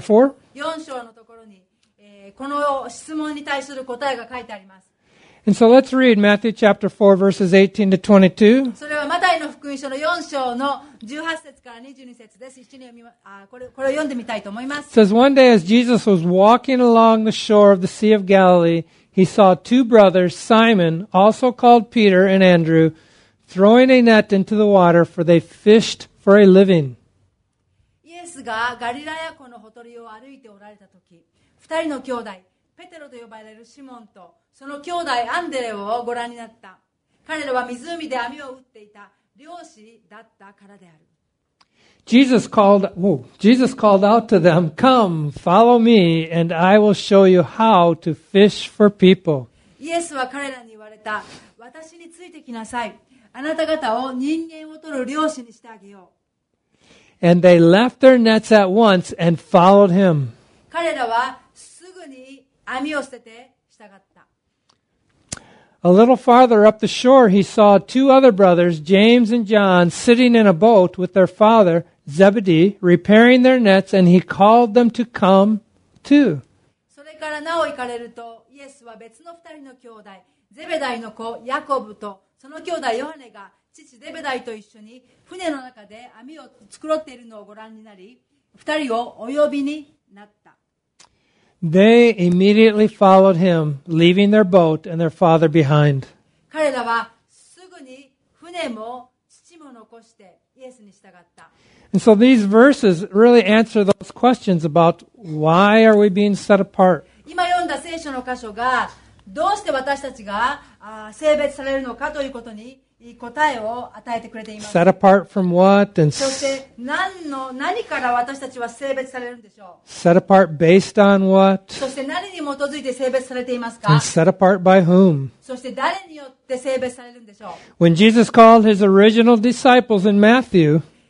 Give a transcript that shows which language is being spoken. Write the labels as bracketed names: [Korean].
[Japanese] 4章のところに、この質問に対する答えが書いてあります。 [English] And so let's read Matthew chapter 4 verses 18 to 22. [Japanese] それはマタイの福音書の4章の18節から22節です。一緒に読み、これを読んでみたいと思います。 [English] It says, One day as Jesus was walking along the shore of the Sea of Galilee, he saw two brothers, Simon, also called Peter and Andrew, throwing a net into the water, for they fished for a living. [Japanese] がガリラヤ湖のほとりを歩いておられたとき、2人の兄弟、ペテロと呼ばれるシモンと、その兄弟アンデレをご覧になった。彼らは湖で網を打っていた漁師だったからである。 [English] Jesus called out to them, Come, follow me, and I will show you how to fish for people. [Japanese] イエスは彼らに言われた、私についてきなさい。あなた方を人間を取る漁師にしてあげよう。 [English] And they left their nets at once and followed him. [Japanese] 彼らはすぐに網を捨てて従った。 [English] A little farther up the shore, he saw two other brothers, James and John, sitting in a boat with their father, Zebedee, repairing their nets, and he called them to come too. [Japanese] それからなお行かれると、イエスは別の二人の兄弟、ゼベダイの子ヤコブとその兄弟ヨハネが父ゼベダイと一緒に船の中で網を繕っているのをご覧になり、二人をお呼びになった。 [English] They immediately followed him, leaving their boat and their father behind. [Japanese] 彼らはすぐに船も父も残してイエスに従った。 [English] And so these verses really answer those questions about why are we being set apart? [Japanese] 今読んだ聖書の箇所がどうして私たちが性別されるのかということに答えを与えてくれています。 [English] Set apart from what and [Japanese] そして何から私たちは性別されるんでしょう。 [English] Set apart based on what [Japanese] そして何に基づいて性別されていますか。 [English] And set apart by whom [Japanese] そして誰によって性別されるんでしょう。 [English] When Jesus called his original disciples in Matthew